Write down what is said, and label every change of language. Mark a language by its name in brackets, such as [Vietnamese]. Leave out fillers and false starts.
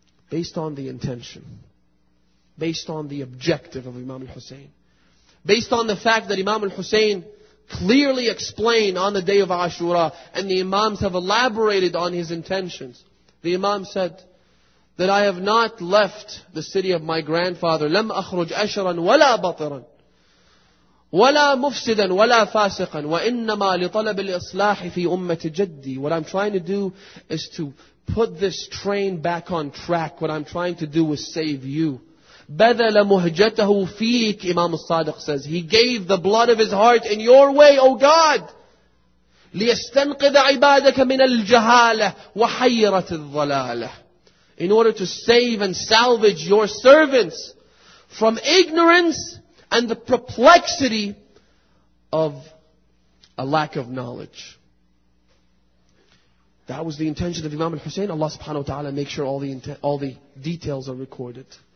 [English] Based on the intention. Based on the objective of Imam al-Hussein. Based on the fact that Imam al-Hussein clearly explained on the day of Ashura, and the Imams have elaborated on his intentions. The Imam said that I have not left the city of my grandfather. [Arabic] لم أخرج أشرا ولا بطرا ولا مفسدا ولا فاسقا وإنما لطلب الإصلاح في أمة جدي. [English] What I'm trying to do is to put this train back on track. What I'm trying to do is save you. [Arabic] بذل مهجته فيك. [English] Imam al-Sadiq says, he gave the blood of his heart in your way, O God. [Arabic] ليستنقذ عبادك من الجهالة وحيرة الضلالة. [English] In order to save and salvage your servants from ignorance and the perplexity of a lack of knowledge. That was the intention of Imam al-Hussein. Allah subhanahu wa ta'ala makes sure all the details are recorded.